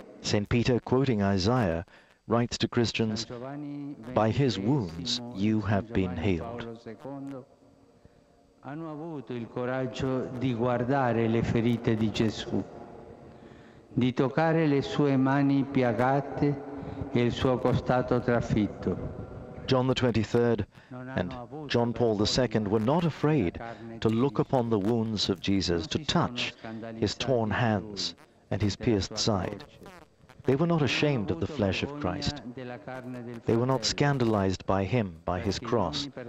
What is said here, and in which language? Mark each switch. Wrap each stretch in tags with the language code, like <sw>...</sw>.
<en>Saint Peter, quoting Isaiah, writes to Christians, "By his wounds you have been healed."</en> <it>Hanno avuto il coraggio di guardare le ferite di Gesù, di toccare le sue mani piagate e il suo costato trafitto.</it> <en>John the 23rd and John Paul II were not afraid to look upon the wounds of Jesus, to touch his torn hands and his pierced side. They were not ashamed of the flesh of Christ. They were not scandalized by him, by his cross.</en>